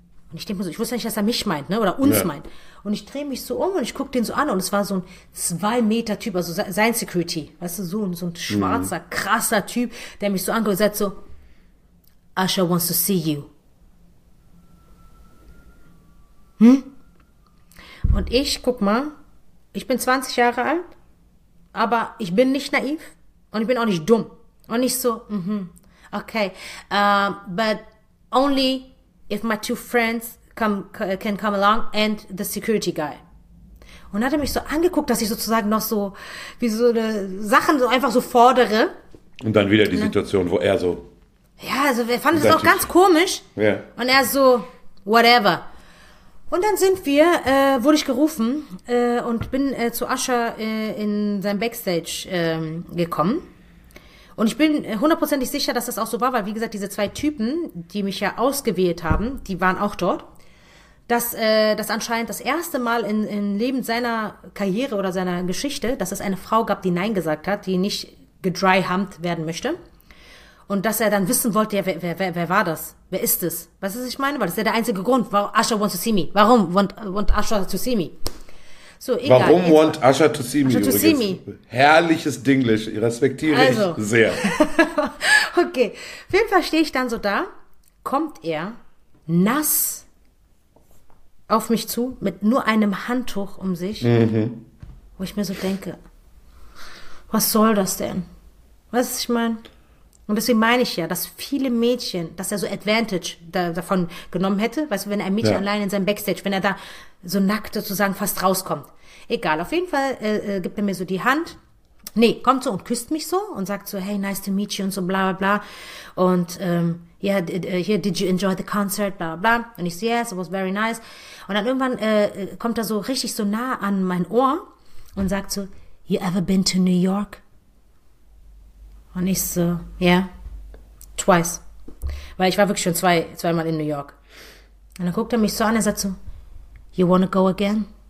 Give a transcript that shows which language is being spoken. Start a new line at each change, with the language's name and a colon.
German: Und ich denke mir so, ich wusste nicht, dass er mich meint, ne, oder uns ja. meint. Und ich drehe mich so um und ich gucke den so an und es war so ein 2-Meter-Typ, also sein Security, weißt du, so ein schwarzer, krasser Typ, der mich so anguckt und sagt so,
English: Usher wants to see you.
German: Und ich, guck mal, ich bin 20 Jahre alt, aber ich bin nicht naiv und ich bin auch nicht dumm. Und nicht so,
English: okay, but only if my two friends can come along and the security guy.
German: Und hat er mich so angeguckt, dass ich sozusagen noch so, wie so eine Sachen so einfach so fordere. Und dann wieder die Situation, wo er so... Ja, also er fand es auch ganz komisch. Ja. Und er so, whatever. Und dann sind wir, wurde ich gerufen und bin zu Usher in sein Backstage gekommen. Und ich bin hundertprozentig sicher, dass das auch so war, weil wie gesagt, diese zwei Typen, die mich ja ausgewählt haben, die waren auch dort, dass das anscheinend das erste Mal im Leben seiner Karriere oder seiner Geschichte, dass es eine Frau gab, die Nein gesagt hat, die nicht gedry-humped werden möchte. Und dass er dann wissen wollte, ja, wer war das? Wer ist es? Weißt du, was ich meine? Weil das ist ja der einzige Grund, warum
English: Usher wants to see me.
German: Warum
English: want Usher to see me?
German: So, egal. Warum jetzt.
English: Want Usher to see me?
German: Usher to übrigens. See me. Herrliches Dinglish. Respektiere also. Ich sehr. Okay. Auf jeden Fall stehe ich dann so da. Kommt er nass auf mich zu, mit nur einem Handtuch um sich. Mhm. Wo ich mir so denke, was soll das denn? Weißt du, was ich meine? Und deswegen meine ich ja, dass viele Mädchen, dass er so Advantage davon genommen hätte, weißt du, wenn ein Mädchen ja. allein in seinem Backstage, wenn er da so nackt sozusagen fast rauskommt. Egal, auf jeden Fall gibt er mir so die Hand. Nee, kommt so und küsst mich so und sagt so,
English: hey, nice to meet you
German: und so bla bla bla. Und ja,
English: yeah, did you enjoy the concert, bla bla.
German: Und ich so,
English: yes, it was very nice.
German: Und dann irgendwann kommt er so richtig so nah an mein Ohr und sagt so,
English: you ever been to New York?
German: Und ich so, ja,
English: yeah, twice.
German: Weil ich war wirklich schon zweimal in New York. Und dann guckt er mich so an, er sagt so,
English: you wanna go again?